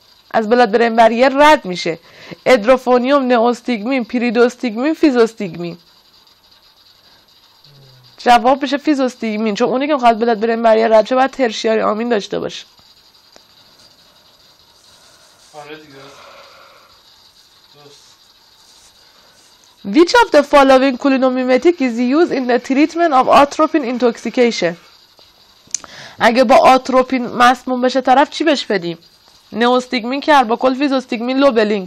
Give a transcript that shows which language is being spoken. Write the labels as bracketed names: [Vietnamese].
[Persian] از blood-brain barrier رد میشه. ادروفونیوم، نئوستیگمین، پیریدوستیگمین، فیزوستیگمین. جواب بشه فیزوستیگمین، چون اونی که میخواد blood-brain barrier رد شه باید ترشیاری آمین داشته باشه. [English] Which of the following cholinomimetic is used in the treatment of atropine intoxication? [Persian] اگه با آتروپین مسموم بشه طرف چی بهش بدیم؟ نئوستیگمین، کربوکول، فیزوستیگمین، لوبلین.